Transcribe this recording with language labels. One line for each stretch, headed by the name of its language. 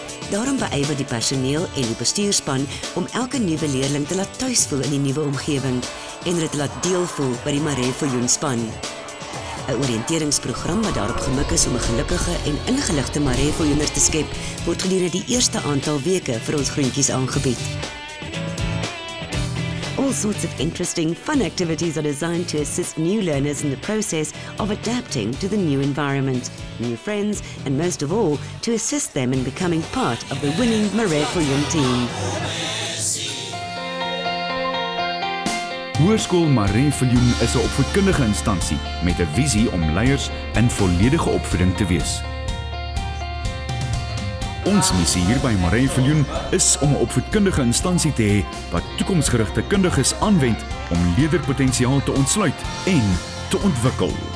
Afrikaans: Daarom beywer die personeel en die bestuurspan om elke nuwe leerling te laat tuis voel in die nuwe omgewing en dit laat deel voel by die Marais Viljoen span. 'N Oriënteringsprogram wat daarop gemik is om 'n gelukkige en ingeligte Marais Viljoener te skep, word gedurende die eerste aantal weke vir ons groentjies aangebied.
English: All sorts of interesting, fun activities are designed to assist new learners in the process of adapting to the new environment, new friends, and most of all, to assist them in becoming part of the winning Marais Viljoen team.
Afrikaans: Hoërskool Marais Viljoen is 'n opvoedkundige instansie met 'n visie om leiers in volledige opvoeding te wees. Ons missie hier by Marais Viljoen is om 'n opvoedkundige instansie te hê wat toekomsgerigte kundiges aanwend om leerderpotensiaal te ontsluit en te ontwikkel.